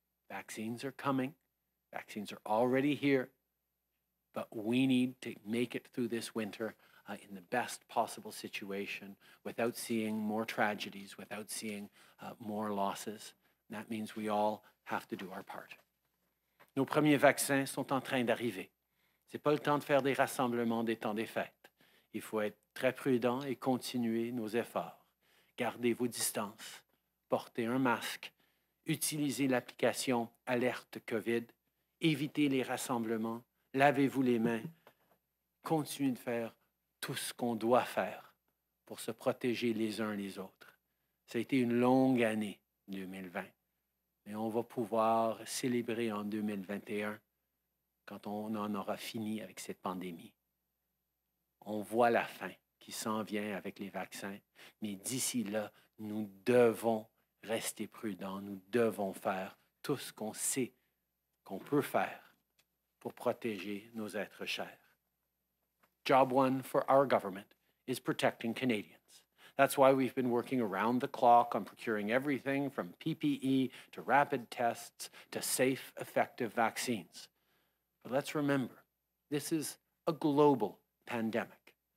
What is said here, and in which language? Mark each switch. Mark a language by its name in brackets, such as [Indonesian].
[English] Vaccines are coming. Vaccines are already here. But we need to make it through this winter in the best possible situation without seeing more tragedies, without seeing more losses. That means we all have to do our part. [French] Nos premiers vaccins sont en train d'arriver. C'est pas le temps de faire des rassemblements, des temps des fêtes. Il faut être très prudent et continuer nos efforts. Gardez vos distances, portez un masque, utilisez l'application Alerte COVID, évitez les rassemblements, lavez-vous les mains, continuez de faire tout ce qu'on doit faire pour se protéger les uns les autres. Ça a été une longue année, 2020. Mais on va pouvoir célébrer en 2021 quand on en aura fini avec cette pandémie. On voit la fin qui s'en vient avec les vaccins, mais d'ici là, nous devons rester prudents, nous devons faire tout ce qu'on sait qu'on peut faire pour protéger nos êtres chers. [English] Job one for our government is protecting Canadians. That's why we've been working around the clock on procuring everything from PPE to rapid tests to safe, effective vaccines. But let's remember, this is a global pandemic.